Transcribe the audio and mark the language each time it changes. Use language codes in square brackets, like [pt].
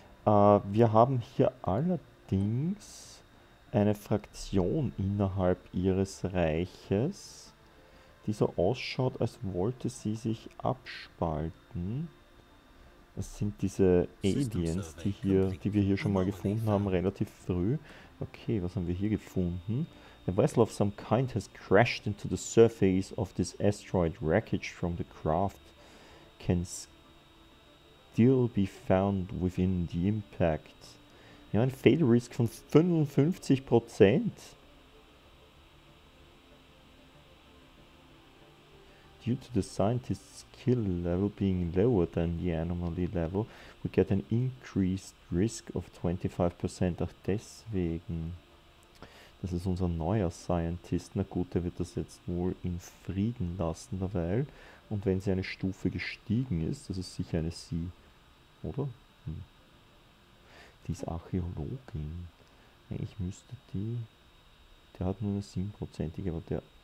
[de] Wir haben hier allerdings eine Fraktion innerhalb ihres Reiches, die so ausschaut, als wollte sie sich abspalten. Das sind diese Aliens, die wir hier schon mal gefunden haben, relativ früh. Okay, was haben wir hier gefunden? [en] A vessel of some kind has crashed into the surface of this asteroid. Wreckage from the craft can still be found within the impact. [de] Ja, ein Fail Risk von 55%. [en] Due to the scientist's skill level being lower than the anomaly level, we get an increased risk of 25%. [de] Ach, deswegen. Das ist unser neuer Scientist. Na gut, der wird das jetzt wohl in Frieden lassen derweil. Und wenn sie eine Stufe gestiegen ist, das ist sicher eine sie, oder? Hm. Die ist Archäologin. Eigentlich müsste die... Der hat nur eine 7-prozentige, aber der...